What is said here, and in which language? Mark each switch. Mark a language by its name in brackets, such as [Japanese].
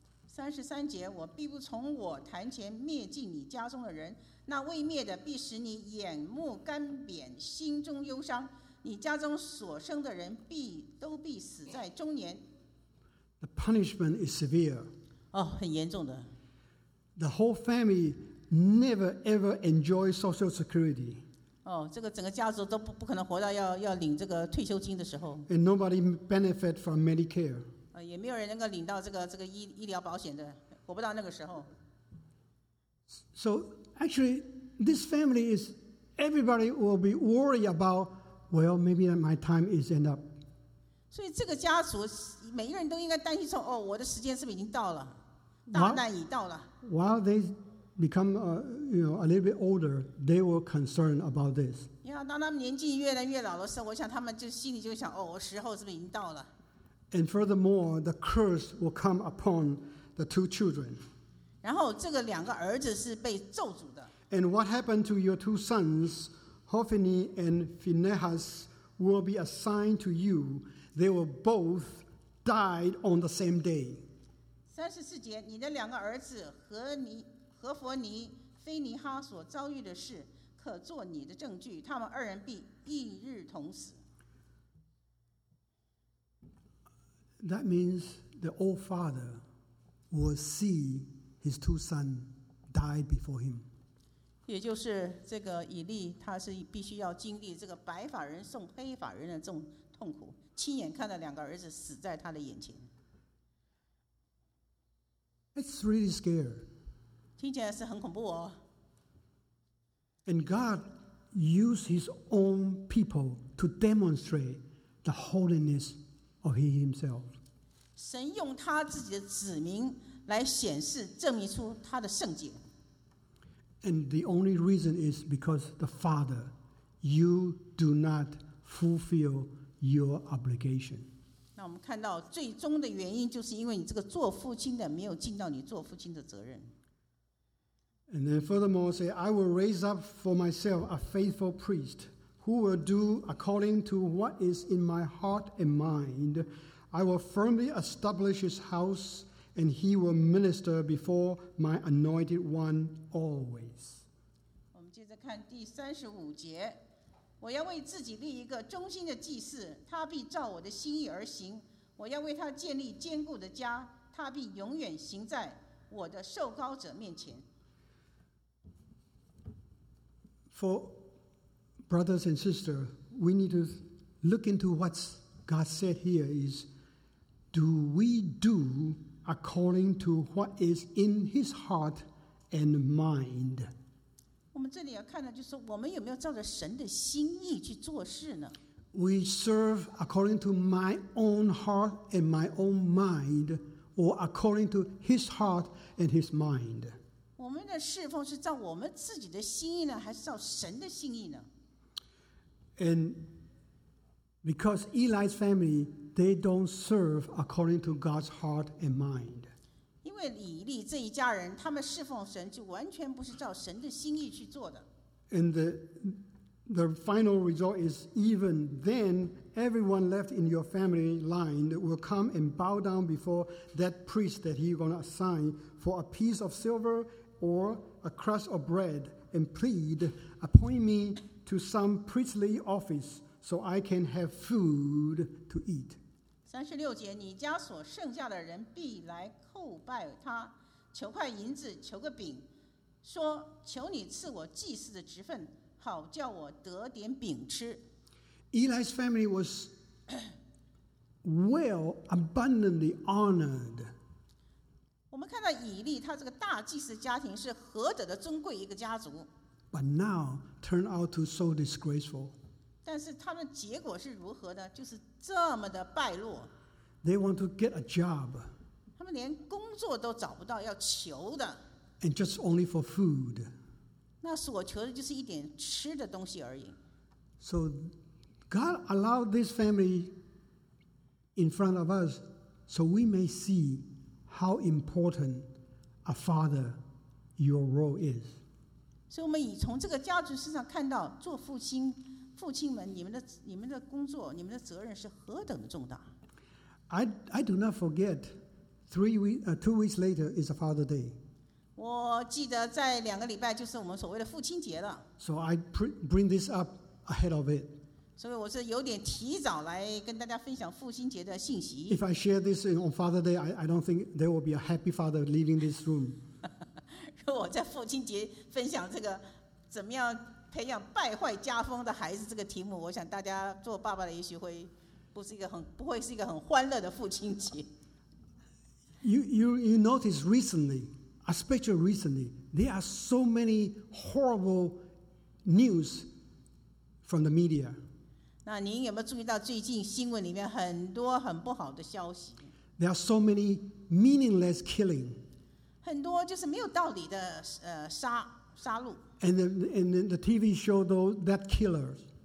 [Chinese] 33节，我必不从我坛前灭尽你家中的人，那未灭的必使你眼目干扁，心中忧伤，你家中所生的人都必死在中年。 [English] The punishment is severe. [Chinese] 哦，很严重的。 [English] The whole family never ever enjoy social security. [Chinese] 哦，这个整个家族都不可能活到要领这个退休金的时候。 [English] And nobody benefit from Medicare. [Chinese] 也没有人能够领到这个医疗保险的，活不到那个时候。 [English] So actually, this family is everybody will be worried about. Well, maybe my time is end up. [Chinese] 所以这个家族每一个人都应该担心说，哦，我的时间是不是已经到了？大难已到了。 [English] While they become a little bit older, they were concerned about this. [Chinese] Yeah, 当他们年纪越来越老的时候，我想他们就心里就想，哦，我时候是不是已经到了？ [English] And furthermore, the curse will come upon the two children. [Chinese] 然后这个两个儿子是被咒诅的。 [English] And what happened to your two sons, Hophni and Phinehas, will be assigned to you. They were both died on the same day. [Chinese] 三十四节，你的两个儿子何弗尼、菲尼哈所遭遇的事，可做你的证据，他们二人必一日同死。 [English] That means the old father will see his two sons die before him. [Chinese] 也就是这个以利，他是必须要经历这个白发人送黑发人的这种痛苦，亲眼看到两个儿子死在他的眼前。 [English] It's really scary. [Chinese] 听起来是很恐怖哦。 [English] And God used His own people to demonstrate the holiness of He Himself. [Chinese] 神用他自己的子民来显示、证明出他的圣洁。 [English] And the only reason is because the Father, you do not fulfill your obligation. [Chinese] 那我们看到最终的原因就是因为你这个做父亲的没有尽到你做父亲的责任。 [English] And then furthermore say, I will raise up for myself a faithful priest who will do according to what is in my heart and mind. I will firmly establish his house and he will minister before my anointed one always. [Chinese] 我们接着看第三十五节。我要为自己立一个忠心的祭祀，他必照我的心意而行。我要为他建立坚固的家，他必永远行在我的受膏者面前。 [English] For brothers and sisters, we need to look into what God said here is, do we do according to what is in His heart and mind? [Chinese] 我们这里要看的就是我们有没有照着神的心意去做事呢 [English] ？We serve according to my own heart and my own mind, or according to His heart and His mind. [Chinese] 我们的侍奉是照我们自己的心意呢，还是照神的心意呢 [English] ？And because Eli's family, they don't serve according to God's heart and mind. [Chinese] 因为以利这一家人，他们侍奉神就完全不是照神的心意去做的。 [English] And the final result is even then, everyone left in your family line will come and bow down before that priest that he's going to assign for a piece of silver or a crust of bread and plead, appoint me to some priestly office so I can have food to eat. [Chinese] 三十六节，你家所剩下的人必来叩拜他，求块银子，求个饼，说：“求你赐我祭司的职分，好叫我得点饼吃。” [English] Eli's family was well abundantly honored. [Chinese] 我们看到以利他这个大祭司家庭是何等的尊贵一个家族。 [English] But now turn out to so disgraceful. [Chinese] 但是他们结果是如何的？就是这么的败落。 [English] They want to get a job. [Chinese] 他们连工作都找不到，要求的。 [English] And just only for food. [Chinese] 那所求的就是一点吃的东西而已。 [English] So God allowed this family in front of us so we may see how important a father your role is. [Chinese] 所以我们已从这个家族身上看到做父亲父亲们你们的工作你们的责任是何等的重大。 [English] I do not forget two weeks later is a Father's Day. [Chinese] 我记得在两个礼拜就是我们所谓的父亲节了。 [English] So I bring this up ahead of it. [Chinese] 所以我是有点提早来跟大家分享父亲节的信息。 [English] If I share this on Father's Day, I don't think there will be a happy father leaving this room. [Chinese] 如果我在父亲节分享这个怎么样培养败坏家风的孩子这个题目，我想大家做爸爸的也许会不是一个很不会是一个很欢乐的父亲节。 [English] You notice recently, especially recently, there are so many horrible news. From the media. [Chinese] 那您有没有注意到最近新闻里面很多很不好的消息？ [English] There are so many meaningless killing. [Chinese] 很多就是没有道理的杀戮。 [English] And the TV show though that killers.